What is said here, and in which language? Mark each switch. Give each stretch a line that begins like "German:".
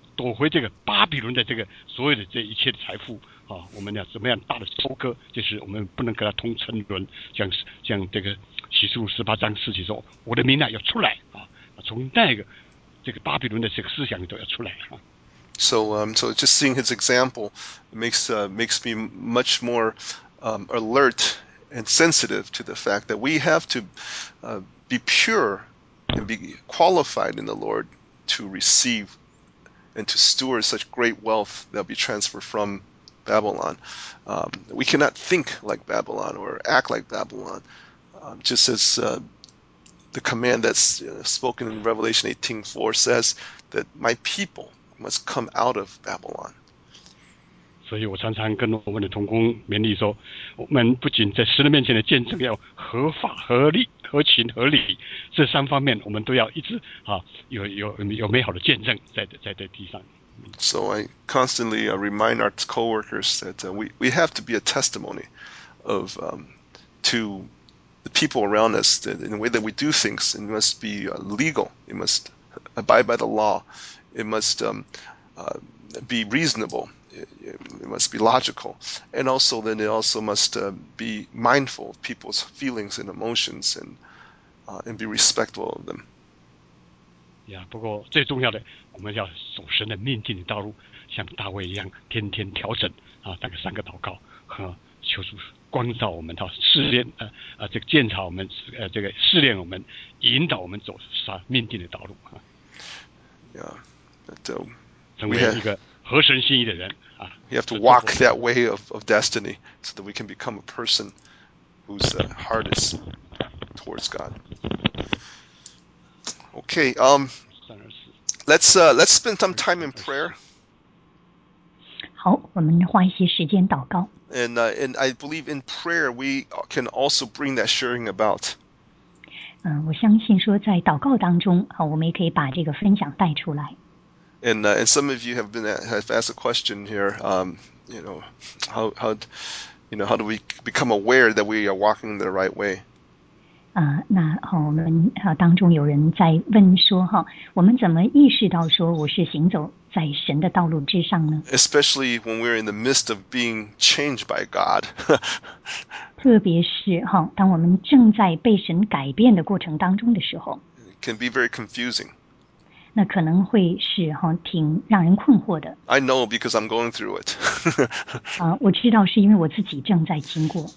Chinese: 夺回这个巴比伦的这个所有的这一切的财富啊，我们要怎么样大的收割，就是我们不能跟他同沉沦，像这个启示录十八章四节说，我的名啊要出来啊，从那个这个巴比伦的这个思想里头要出来啊。
English: So so just seeing his example makes me much more alert and sensitive to the fact that we have to be pure and be qualified in the Lord to receive. And to steward such great wealth that will be transferred from Babylon. We cannot think like Babylon or act like Babylon. Just as the command that's spoken in Revelation 18:4 says that my people must come out of Babylon.
Chinese: 所以我常常跟我们的同工勉励说，我们不仅在神的面前的见证要合法合理合情合理，这三方面我们都要一直啊有美好的见证在这地上。
English: So I constantly remind our coworkers that we have to be a testimony of to the people around us that in the way that we do things it must be legal, it must abide by the law, it must be reasonable. It must be logical, and also then it also must be mindful of people's feelings and emotions, and be respectful of them.
Chinese: Yeah, 不过最重要的，我们要走神的命定的道路，像大卫一样，天天调整啊，大概三个祷告和求主光照我们，到试炼这个鉴察我们，这个试炼我们，引导我们走啥命定的道路啊。
English: Yeah, so
Chinese: 成为一个。合神心意的人,
English: we have to walk that way of destiny so that we can become a person whose heart is towards God. Okay, let's spend some time in prayer.
Chinese: 好,我们花一些时间祷告。
English: And I believe in prayer we can also bring that sharing about.
Chinese: 我相信说在祷告当中,我们也可以把这个分享带出来。
English: And some of you have asked a question here. How do we become aware that we are walking the right way?
Chinese: 那好，我们当中有人在问说哈，我们怎么意识到说我是行走在神的道路之上呢？
English: Especially when we're in the midst of being changed by God.
Chinese: 特别是哈，当我们正在被神改变的过程当中的时候，
English: it can be very confusing.
Chinese: 那可能会是挺让人困惑的。
English: I know because I'm going through it.
Chinese: 我知道是因为我自己正在经过。